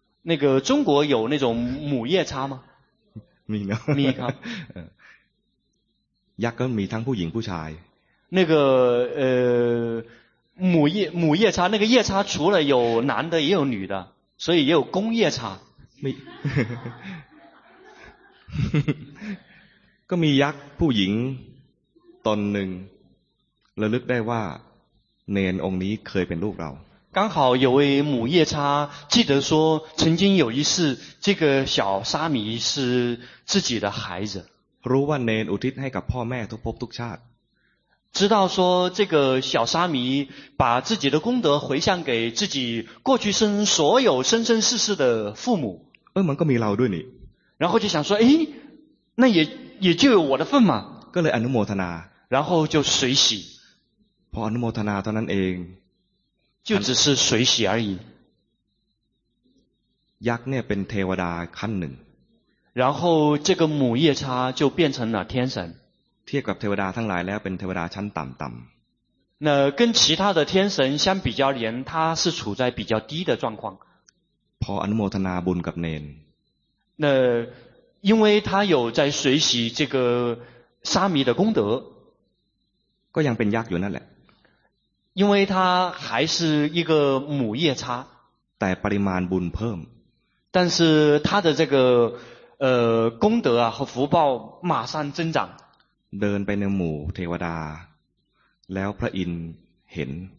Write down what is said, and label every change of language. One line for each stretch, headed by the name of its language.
Chinese: 那个中国有那种母夜叉吗
Thai: มีนะ มีครับ ยักษ์ก็มีทั้งผู้หญิงผู้ชาย
Chinese: 那个母夜叉那个夜叉除了有男的也有女的所以也有公夜叉
Thai: มีก็มียักษ์ผู้หญิงตนหนึ่งระลึกได้ว่าเนนองค์นี้เคยเป็นลูกเรา
Chinese: 刚好有位母夜叉记得说曾经有一次这个小沙弥是自己的孩子
Thai: รู้ว่าเนนอุทิศให้กับพ่อแม่ทุกภพทุกชาติ
Chinese: 知道说这个小沙弥把自己的功德回向给自己过去生所有生生世世的父母
Thai: มันก็มีเราด้วยนี่
Chinese: 然后就想说诶那也就有我的份嘛
Thai: ก็เลยอนุโมทนา
Chinese: 然后就随喜
Thai: พออนุโมทนาเท่านั้นเอง
Chinese: 就只是随喜而已
Thai: ยักษ์เนี่ยเป็นเทวดาขั้นหนึ่ง
Chinese: 然后这个母夜叉就变成了天神
Thai: เทียบกับเทวดาทั้งหลายแล้วเป็นเทวดาชั้นต่ำ
Chinese: ๆ那跟其他的天神相比较连他是处在比较低的状况
Thai: พออนุโมทนาบุญกับเนน
Chinese: 那因为他有在随喜这个沙弥的功德
Thai: ก็ยังเป็นยักษ์อยู่นั่นแหละ
Chinese: 因为他还是一个母夜叉
Thai: แต่ปริมาณบุญเพิ่ม
Chinese: 但是他的这个功德啊和福报马上增长
Thai: เดินไปในหมู่เทวดาแล้วพระอินทร์เห็น